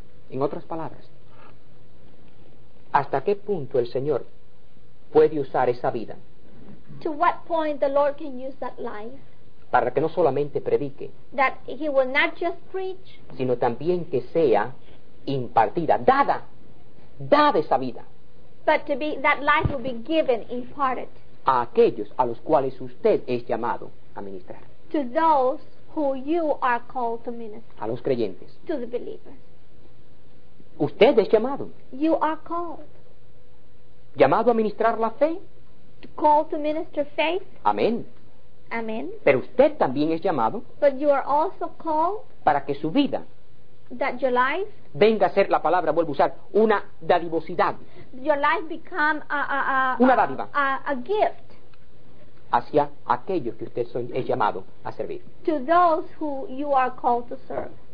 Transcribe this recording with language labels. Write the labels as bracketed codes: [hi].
[es] En otras palabras, ¿hasta qué punto el Señor puede usar esa vida? [en] To what point the Lord can use that life? [es] Para que no solamente predique, [en] that he will not just preach, [es] sino también que sea impartida, dada esa vida. [en] But to be that life will be given, imparted. [es] A aquellos a los cuales usted es llamado a ministrar. [en] To those who you are called to minister. [es] A los creyentes. [en] To the believers. [es] Usted es llamado. [en] You are called. [es] Llamado a ministrar la fe. [en] To call to minister faith. [es] Amén. Amén. Pero usted también es llamado. [en] But you are also called. [es] Para que su vida. [en] That your life. [es] Venga a ser, la palabra vuelvo a usar, una dadivosidad. [en] Your life become a [es] una dádiva. [en] A gift. [es] Hacia aquellos que usted es llamado a servir. [en] To those who you are called to serve.